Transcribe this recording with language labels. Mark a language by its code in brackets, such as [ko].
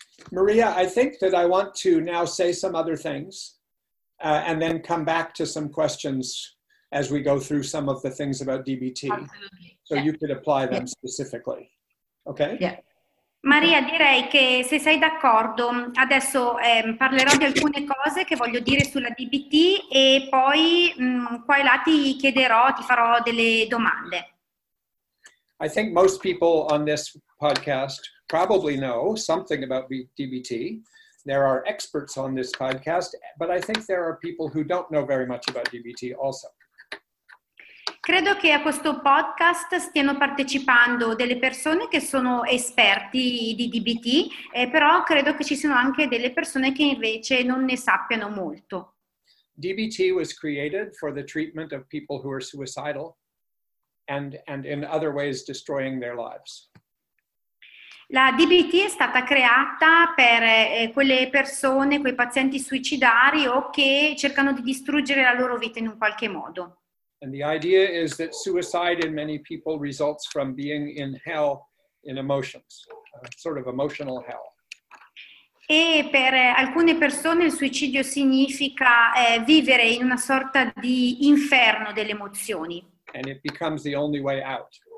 [en] Maria, I think that I want to now say some other things and then come back to some questions as we go through some of the things about DBT. Absolutely. So yeah. You could apply them specifically. Okay? Yeah. [it] Maria, direi che se sei d'accordo, adesso parlerò di alcune cose che voglio dire sulla DBT e poi qua e là ti farò delle domande. [en] I think most people on this podcast probably know something about DBT. There are experts on this podcast, but I think there are people who don't know very much about DBT also. [it] Credo che a questo podcast stiano partecipando delle persone che sono esperti di DBT, però credo che ci siano anche delle persone che invece non ne sappiano molto. [en] DBT was created for the treatment of people who are suicidal and in other ways destroying their lives. [it] La DBT è stata creata per quelle persone, quei pazienti suicidari o che cercano di distruggere la loro vita in un qualche modo. [en] And the idea is that suicide in many people results from being in hell in emotions, sort of emotional hell. [it] E per alcune persone il suicidio significa vivere in una sorta di inferno delle emozioni. [en] And it becomes the only way out.